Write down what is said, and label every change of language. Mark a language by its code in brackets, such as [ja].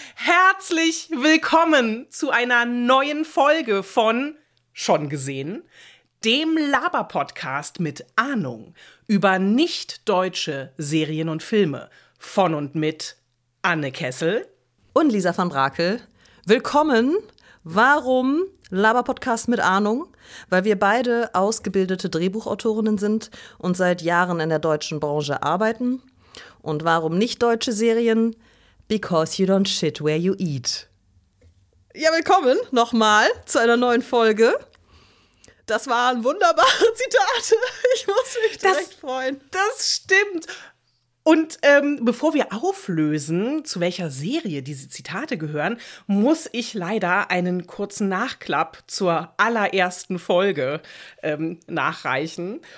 [de] Herzlich willkommen zu einer neuen Folge von Schon gesehen, dem Laber-Podcast mit Ahnung über nicht-deutsche Serien und Filme von und mit Anne Kessel und Lisa van Brakel. Willkommen. Warum Laber-Podcast mit Ahnung? Weil wir beide ausgebildete Drehbuchautorinnen sind und seit Jahren in der deutschen Branche arbeiten. Und warum nicht-deutsche Serien? [en] Because you don't shit where you eat. [de] Ja, willkommen nochmal zu einer neuen Folge. Das waren wunderbare Zitate. Ich muss mich direkt freuen. Das stimmt. Und bevor wir auflösen, zu welcher Serie diese Zitate gehören, muss ich leider einen kurzen Nachklapp zur allerersten Folge nachreichen.